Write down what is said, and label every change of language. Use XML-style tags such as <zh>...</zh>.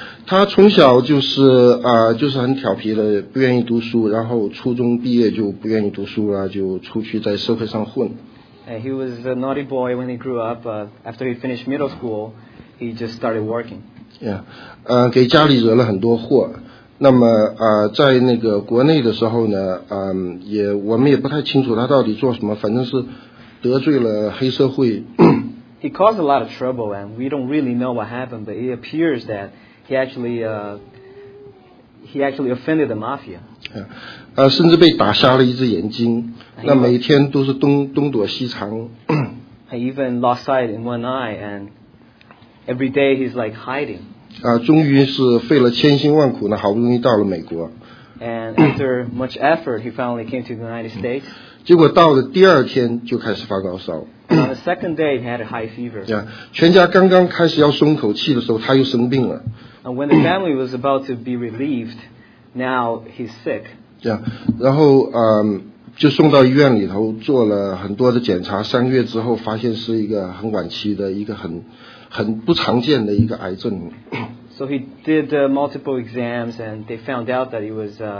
<zh>他从小就是很调皮的，不愿意读书，然后初中毕业就不愿意读书了，就出去在社会上混。</zh> <en>And he was a naughty boy when he grew up. After he finished middle school, he just started working.</en> <zh>Yeah, 给家里惹了很多祸。那么在那个国内的时候呢，也我们也不太清楚他到底做什么，反正是得罪了黑社会。</zh> <en>He caused a lot of trouble, and we don't really know what happened. But it appears that he actually offended the mafia.</en> <zh>Yeah, 甚至被打瞎了一只眼睛。那每天都是东躲西藏。</zh> <en>He even lost sight in one eye, and every day he's like hiding.</en> <zh>终于是费了千辛万苦呢，好不容易到了美国。</zh> <en>And after much effort, he finally came to the United States.</en> <zh>结果到了第二天就开始发高烧。</zh> <en>On the second day, he had a high fever.</en> <zh>Yeah, 全家刚刚开始要松口气的时候，他又生病了。</zh> <en>And when the family was about to be relieved, now he's sick.</en> <zh>Yeah, 然后就送到医院里头做了很多的检查，3个月之后发现是一个很晚期的一个很。很不常见的一个癌症。</zh> <en>So he did multiple exams, and they found out that he was</en>